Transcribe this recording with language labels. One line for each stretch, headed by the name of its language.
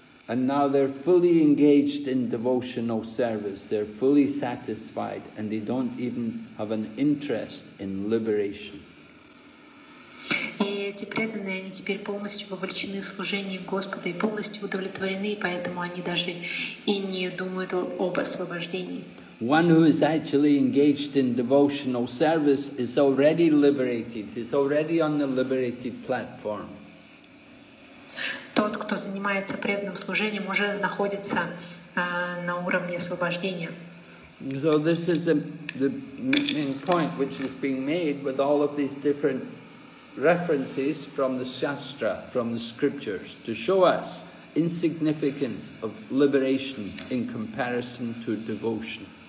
English: And now they're fully engaged in devotional service. They're fully satisfied, and they don't even have an interest in liberation.
Russian: И эти преданные, они теперь полностью вовлечены в служение Господа и полностью удовлетворены, поэтому они даже и не думают об освобождении.
English: One who is actually engaged in devotional service is already liberated. He's already on the liberated platform.
Russian: Тот, кто занимается преданным служением, уже находится на уровне освобождения.
English: So this is the main point which is being made with all of these different references from the Shastra, from the scriptures, to show us insignificance of liberation in comparison to devotion.